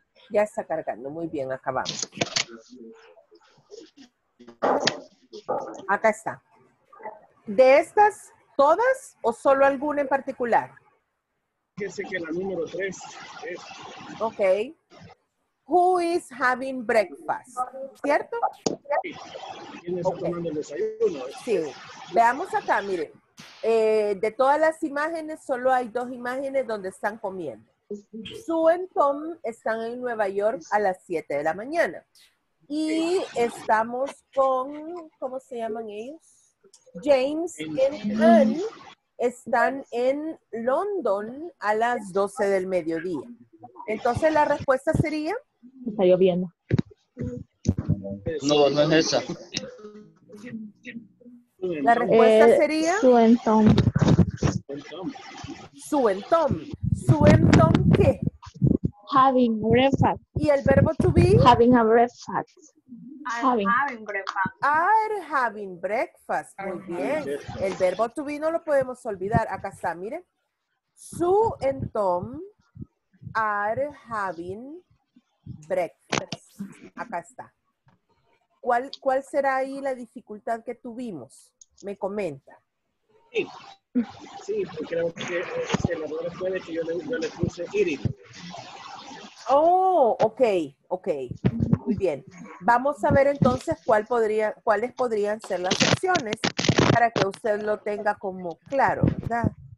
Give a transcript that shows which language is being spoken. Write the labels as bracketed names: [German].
[Spanish] Ya está cargando, muy bien, acabamos. Acá está. ¿De estas todas o solo alguna en particular? Fíjese que la número 3 es. Ok. [English] Who is having breakfast? [Spanish] ¿Cierto? Sí. ¿Quién está okay. tomando el desayuno? Sí. Veamos acá, miren. De todas las imágenes, solo hay dos imágenes donde están comiendo. Sue y Tom están en Nueva York a las 7 de la mañana. Y estamos con, ¿cómo se llaman ellos? James y Anne están en London a las 12 del mediodía. Entonces, la respuesta sería... Está lloviendo. No, no es esa. La respuesta sería... Sue y Tom. Sue y Tom. Sue y Tom, ¿qué? [English] Having breakfast. [Spanish] ¿Y el verbo to be? [English] Having a breakfast. Having breakfast. Are having breakfast. [Spanish] Muy bien. El verbo to be no lo podemos olvidar. Acá está, miren. [English] Sue y Tom are having breakfast. [Spanish] Acá está. ¿Cuál será ahí la dificultad que tuvimos? Me comenta. Sí, creo que el error fue de que yo le puse eating. Oh, ok. Muy bien. Vamos a ver entonces cuáles podrían ser las opciones para que usted lo tenga como claro, ¿verdad?